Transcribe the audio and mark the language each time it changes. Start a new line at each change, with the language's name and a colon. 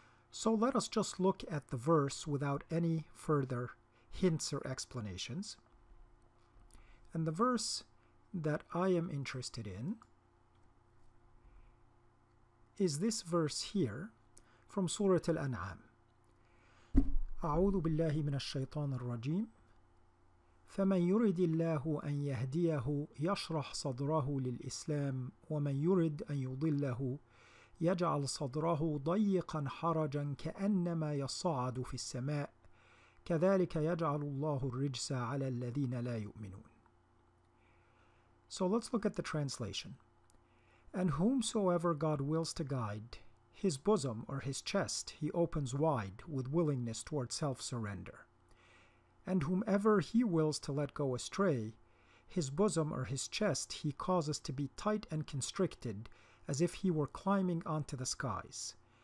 English: So let us just look at the verse without any further hints or explanations. And the verse that I am interested in is this verse here from Surah Al-An'am.
Arabic: أعوذ بالله من الشيطان الرجيم فمن يرد الله أن يهديه يشرح صدره للإسلام ومن يرد أن يضله يجعل صدره ضيقا حرجا كأنما يصعد في السماء كذلك يجعل الله الرجس على الذين لا يؤمنون.
English: So let's look at the translation. And whomsoever God wills to guide, his bosom or his chest he opens wide with willingness toward self-surrender. And whomever he wills to let go astray, his bosom or his chest he causes to be tight and constricted as if he were climbing onto the skies.